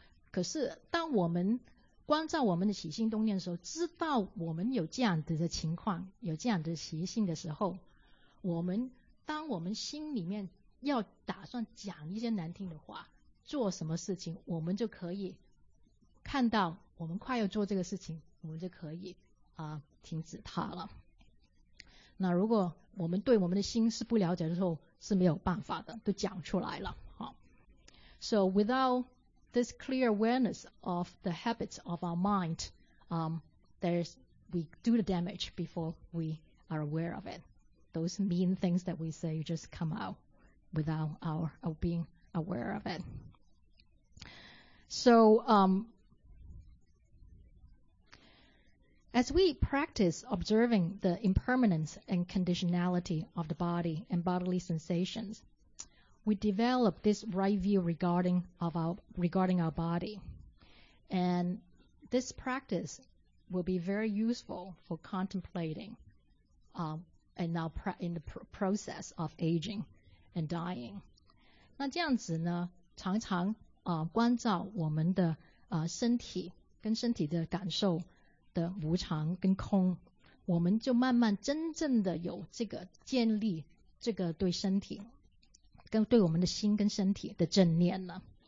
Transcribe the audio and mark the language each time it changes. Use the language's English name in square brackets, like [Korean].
[Chinese] 可是当我们关照我们的起心动念的时候，知道我们有这样子的情况，有这样的习性的时候，当我们心里面要打算讲一些难听的话，做什么事情，我们就可以看到我们快要做这个事情，我们就可以停止它了。那如果我们对我们的心是不了解的时候，是没有办法的，都讲出来了。 [English] 好， So without this clear awareness of the habits of our mind, we do the damage before we are aware of it. Those mean things that we say just come out without our being aware of it. So as we practice observing the impermanence and conditionality of the body and bodily sensations, we develop this right view regarding our body. And this practice will be very useful for contemplating and now in the process of aging and dying. [Chinese] 那这样子呢，常常关照我们的身体跟身体的感受的无常跟空，我们就慢慢真正的有这个建立这个对身体跟对我们的心跟身体的正念了。